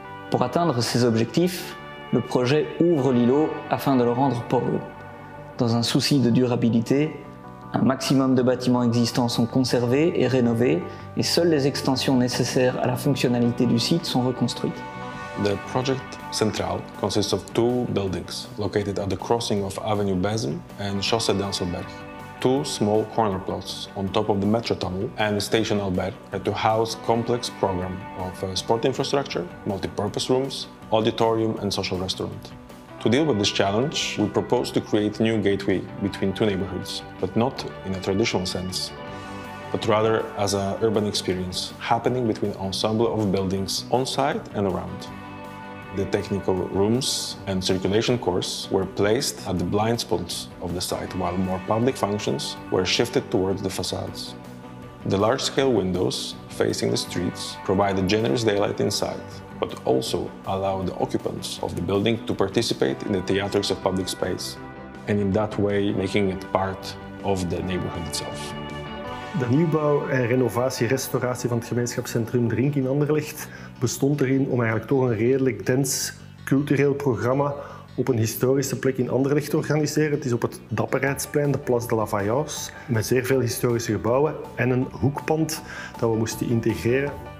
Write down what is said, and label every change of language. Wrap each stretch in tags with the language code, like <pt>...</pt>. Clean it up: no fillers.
<fr>Pour atteindre ces objectifs, le projet ouvre l'îlot afin de le rendre poreux. Dans un souci de durabilité, un maximum de bâtiments existants sont conservés et rénovés, et seules les extensions nécessaires à la fonctionnalité du site sont reconstruites.</fr> <en>The project Central consists of two buildings located at the crossing of Avenue Bezem and Chaussée d'Anselberg. Two small corner plots on top of the metro tunnel and station Albert to house complex program of sport infrastructure, multi-purpose rooms, auditorium and social restaurant. To deal with this challenge, we propose to create a new gateway between two neighborhoods, but not in a traditional sense, but rather as an urban experience happening between ensemble of buildings on site and around. The technical rooms and circulation course were placed at the blind spots of the site, while more public functions were shifted towards the facades. The large-scale windows facing the streets provide a generous daylight inside, but also allow the occupants of the building to participate in the theatrics of public space, and in that way making it part of the neighborhood itself.</en> <nl>De nieuwbouw en renovatie, restauratie van het gemeenschapscentrum Drink in Anderlecht bestond erin om eigenlijk toch een redelijk dens cultureel programma op een historische plek in Anderlecht te organiseren. Het is op het Dapperheidsplein, de Place de la Vaillance, met zeer veel historische gebouwen en een hoekpand dat we moesten integreren.</nl>